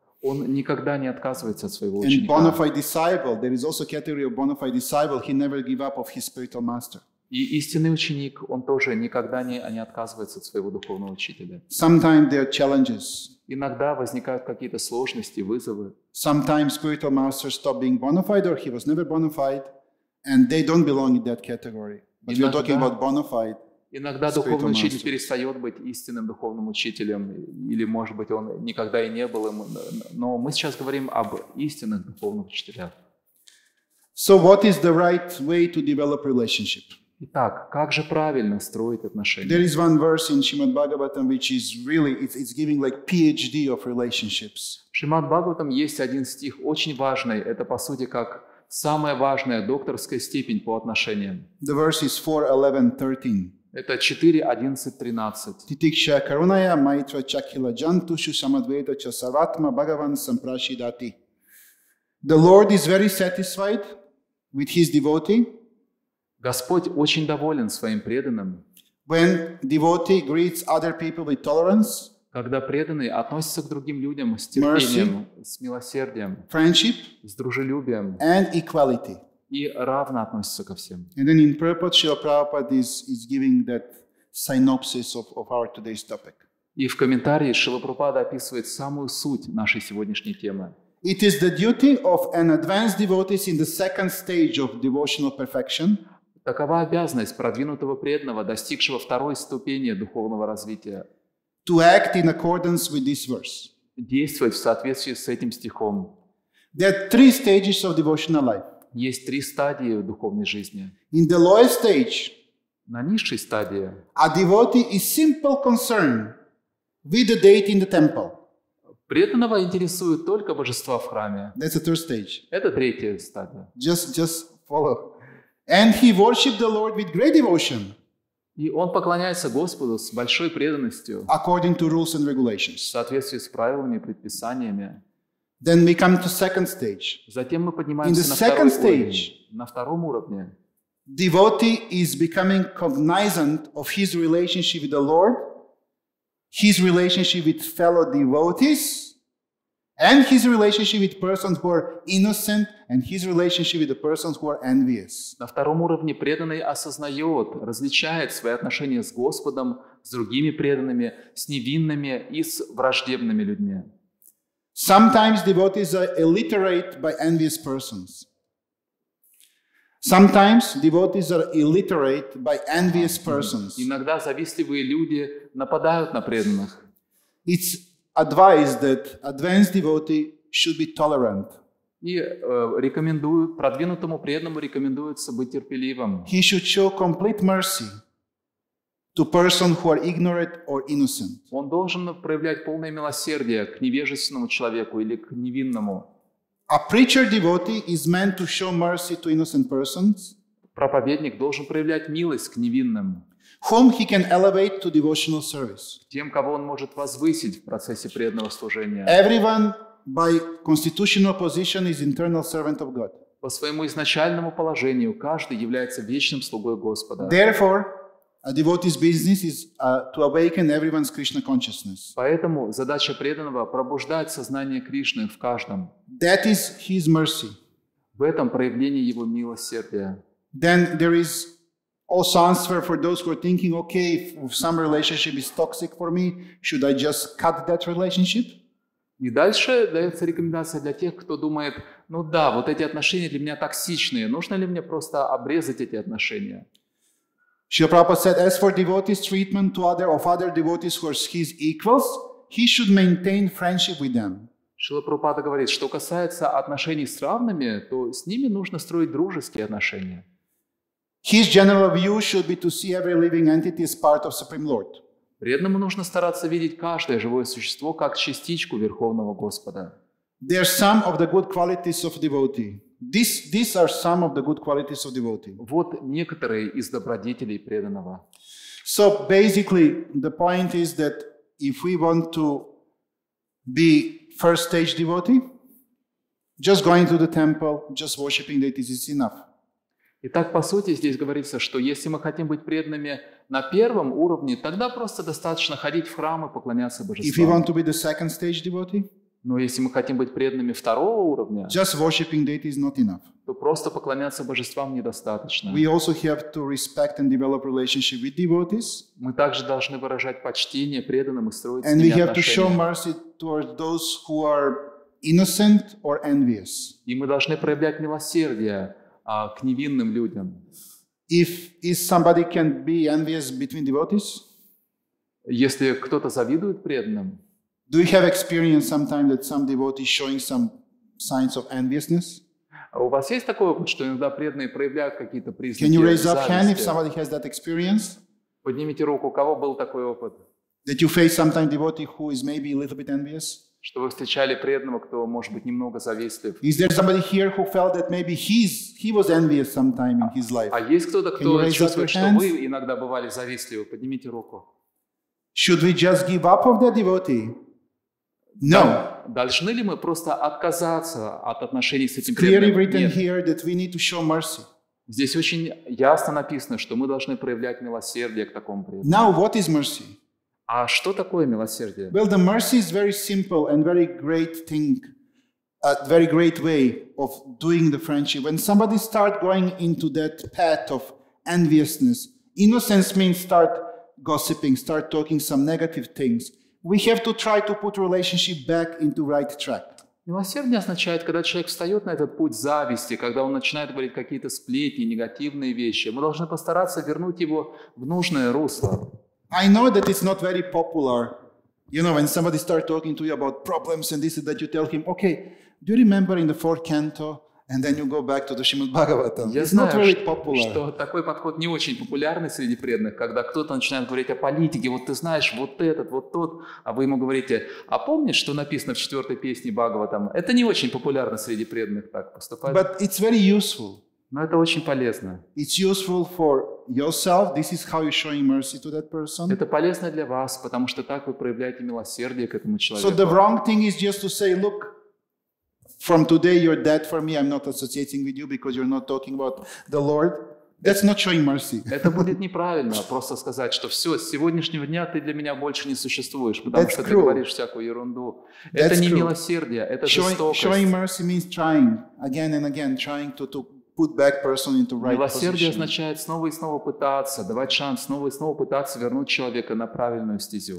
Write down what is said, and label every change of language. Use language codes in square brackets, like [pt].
[ru] Он никогда не отказывается от своего ученика. [en] And bona fide disciple, there is also category of bona fide disciple, he never give up of his spiritual master. [ru] И истинный ученик, он тоже никогда не отказывается от своего духовного учителя. [en] Sometimes there are challenges. [ru] Иногда возникают какие-то сложности, вызовы. [en] Sometimes spiritual master stop being bona fide, or he was never bona fide, and they don't belong in that category. But we're talking about bona fide. [ru] Иногда духовный учитель перестает быть истинным духовным учителем, или, может быть, он никогда и не был им. Но мы сейчас говорим об истинных духовных учителях. [en] So what is the right way to develop relationship? [ru] Итак, как же правильно строить отношения? [en] There is one verse in Shrimad Bhagavatam, which is really, it's giving like PhD of relationships. [ru] В Шримад Бхагаватам есть один стих, очень важный. Это, по сути, как самая важная докторская степень по отношениям. [en] The verse is 4.11.13. [ru] Это 4.11.13. [sa] Титикша Карунайя Майтра Чакхила Джантушу Самадвейта Часаратма Бхагаван Сампрашидати. [en] The Lord is very satisfied with his devotee. [ru] Господь очень доволен своим преданным. [en] When devotee greets other people with tolerance, [ru] когда преданный относится к другим людям с терпением, [en] mercy, [ru] с милосердием, [en] friendship, [ru] с дружелюбием [en] and equality. [ru] и равно относится ко всем. [en] And then in purport, Srila Prabhupada is giving that synopsis of our today's topic. [ru] И в комментарии Шрила Прабхупада описывает самую суть нашей сегодняшней темы. [en] It is the duty of an advanced devotee in the second stage of devotional perfection. [ru] Такова обязанность продвинутого преданного, достигшего второй ступени духовного развития. [en] To act in accordance with this verse. [ru] Действовать в соответствии с этим стихом. [en] There are three stages of devotional life. [ru] Есть три стадии духовной жизни. [en] In the lowest stage. [ru] На низшей стадии. [en] A devotee is simple concern with the deity in the temple. [ru] Преданного интересует только божество в храме. [en] That's the third stage. [ru] Это третья стадия. [en] Just follow. And he worshiped the Lord with great devotion. [ru] И он поклоняется Господу с большой преданностью. [en] According to rules and regulations. [ru] В соответствии с правилами и предписаниями. [en] Then we come to second stage. [ru] Затем мы поднимаемся на второй [en] stage, [ru] уровень. На втором уровне. [en] Devotee is becoming cognizant of his relationship with the Lord, his relationship with fellow devotees, and his relationship with persons who are innocent, and his relationship with the persons who are envious. [ru] На втором уровне преданный осознает, различает свои отношения с Господом, с другими преданными, с невинными и с враждебными людьми. [en] Sometimes devotees are illiterate by envious persons. Sometimes devotees are illiterate by envious persons. [ru] Иногда завистливые люди нападают на преданных. [en] It's advised that advanced devotee should be tolerant. [ru] И рекомендуют продвинутому преданному рекомендуется быть терпеливым. [en] He should show complete mercy to persons who are ignorant or innocent. [ru] Он должен проявлять полное милосердие к невежественному человеку или к невинному. [en] A preacher devotee is meant to show mercy to innocent persons. [ru] Проповедник должен проявлять милость к невинным. [en] Whom he can elevate to devotional service. [ru] Тем, кого он может возвысить в процессе преданного служения. [en] Everyone by constitutional position is internal servant of God. [ru] По своему изначальному положению каждый является вечным слугой Господа. [en] Therefore, a devotee's business is to awaken everyone's Krishna consciousness. [ru] Поэтому задача преданного пробуждать сознание Кришны в каждом. [en] That is his mercy. [ru] В этом проявление его милосердия. [en] Then there is also answer for those who are thinking, okay, if some relationship is toxic for me, should I just cut that relationship? [ru] И дальше дается рекомендация для тех, кто думает, ну да, вот эти отношения для меня токсичные, нужно ли мне просто обрезать эти отношения? [en] Шрила Прабхупада said, as for devotees' treatment to other of other devotees who are his equals, he should maintain friendship with them. [ru] Шрила Прабхупада говорит, что касается отношений с равными, то с ними нужно строить дружеские отношения. [en] His general view should be to see every living entity as part of Supreme Lord. [ru] Преданному нужно стараться видеть каждое живое существо как частичку Верховного Господа. [en] There are some of the good qualities of devotee. These are some of the good qualities of devotee. [ru] Вот некоторые из добродетелей преданного. [en] So basically, the point is that if we want to be first stage devotee, just going to the temple, just worshiping deities is enough. [ru] Итак, по сути, здесь говорится, что если мы хотим быть преданными на первом уровне, тогда просто достаточно ходить в храм и поклоняться божествам. [en] If we want to be the second stage devotee, [ru] но если мы хотим быть преданными второго уровня, [en] just worshiping deity is not enough. [ru] То просто поклоняться божествам недостаточно. [en] We also have to respect and develop relationship with devotees. [ru] Мы также должны выражать почтение преданным и строить с ними отношения. [en] And we have to show mercy towards those who are innocent or envious. [ru] И мы должны проявлять милосердие к невинным людям. [en] If somebody can be envious between devotees, [ru] если кто-то завидует преданным, [en] do you have experience sometime that some devotee is showing some signs of enviousness? [ru] У вас есть такой опыт, что иногда преданные проявляют какие-то признаки зависти? [en] Can you raise up hand if somebody has that experience? [ru] Поднимите руку, у кого был такой опыт? [en] That you face sometime devotee who is maybe a little bit envious? [ru] Что вы встречали преданного, кто, может быть, немного завистлив? [en] Is there somebody here who felt that maybe he was envious sometime in his life? [ru] А есть кто-то, кто чувствует, что вы иногда бывали завистливы? Поднимите руку. [en] Should we just give up of that devotee? No. [ru] Должны ли мы просто отказаться от отношений с этим преданным? [en] Clearly written here that we need to show mercy. [ru] Здесь очень ясно написано, что мы должны проявлять милосердие к такому преданному. [en] Now what is mercy? [ru] А что такое милосердие? [en] Well, the mercy is very simple and very great thing. a very great way of doing the friendship. When somebody start going into that path of enviousness, innocence means start gossiping, start talking some negative things. We have to try to put relationship back into right track. [ru] Милосердие означает, когда человек встает на этот путь зависти, когда он начинает говорить какие-то сплетни, негативные вещи. Мы должны постараться вернуть его в нужное русло. [en] I know that it's not very popular. You know, when somebody starts talking to you about problems and this and that, you tell him, okay, do you remember in the fourth canto? And then you go back to the Shrimad Bhagavatam. It's not very popular. [ru] Что такой подход не очень популярный среди преданных, когда кто-то начинает говорить о политике, вот ты знаешь, вот этот, вот тот, а вы ему говорите, а помнишь, что написано в четвертой песне Бхагаватам? Это не очень популярно среди преданных так поступать. [en] But it's very useful. [ru] Но это очень полезно. [en] It's useful for yourself. This is how you're showing mercy to that person. [ru] Это полезно для вас, потому что так вы проявляете милосердие к этому человеку. [en] So the wrong thing is just to say, look, from today you're dead for me. I'm not associating with you because you're not talking about the Lord. That's not showing mercy. [ru] Это будет неправильно просто сказать, что все, с сегодняшнего дня ты для меня больше не существуешь, потому [en] That's [ru] что [en] cruel. [ru] Ты говоришь всякую ерунду. Это [en] That's [ru] не [en] cruel. [ru] Милосердие, это жестокость. [en] Showing mercy means trying again and again, trying to put back person into right position. [ru] Милосердие означает снова и снова пытаться, давать шанс, снова и снова пытаться вернуть человека на правильную стезю.